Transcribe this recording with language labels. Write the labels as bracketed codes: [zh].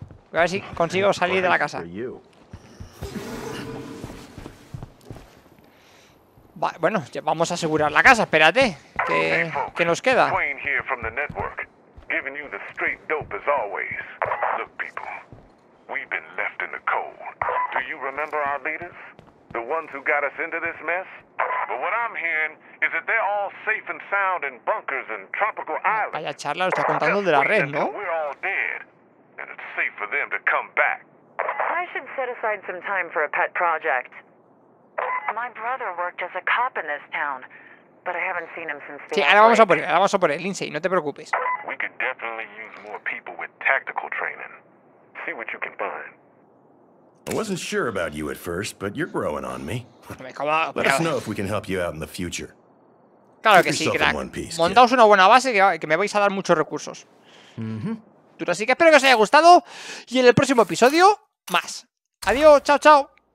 [es] Voy a ver si consigo salir de la casa. Va, bueno, ya vamos a asegurar la casa, espérate. ¿Qué nos queda? [en] Wayne here from the network, giving you the straight dope as always. Look, people, we've been left in the cold. Do you remember our leaders? The ones who got us into this mess? But what I'm hearing is that they're all safe and sound in bunkers and tropical islands. [es] Vaya charla, lo está contando de la red, ¿no? [en] We're all dead, and it's safe for them to come back. I should set aside some time for a pet project. My brother worked as a cop in this town, but I haven't seen him since the. [es] Sí, ahora vamos a por él, ahora vamos a por él, Lindsay, no te preocupes. [en] We could definitely use more people with tactical training. See what you can find. I wasn't sure about you at first, but you're growing on me. Let us know if we can help you out in the future. [es] Claro que sí, crack. Montaos una buena base que me vais a dar muchos recursos. Así que espero que os haya gustado. Y en el próximo episodio, más. Adiós, chao, chao.